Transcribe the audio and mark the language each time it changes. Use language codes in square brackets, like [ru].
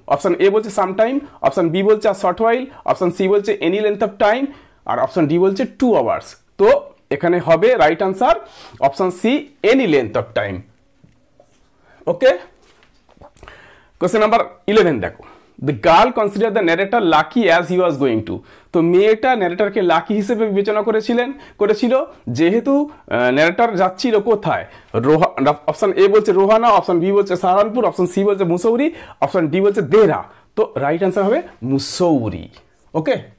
[bn] Option A বলছে some time, option B বলছে আ short ওয়াইল, option C বলছে any length of time, আর option D বলছে two hours. তো এখানে হবে right answer option C any length of time. Okay, question number 11 দেখো। [en] The girl considered the narrator lucky as he was going to. [bn] তো মেয়েটা ন্যারেটরকে lucky হিসেবে বিবেচনা করেছিলেন করেছিল যেহেতু ন্যারেটর যাচ্ছিল কোথায় অপশন এ বলছে রোহানা অপশন বি বলছে সাহারানপুর অপশন সি বলছে মুসৌরি অপশন ডি বলছে দেরা তো রাইট আনসার হবে মুসৌরি ওকে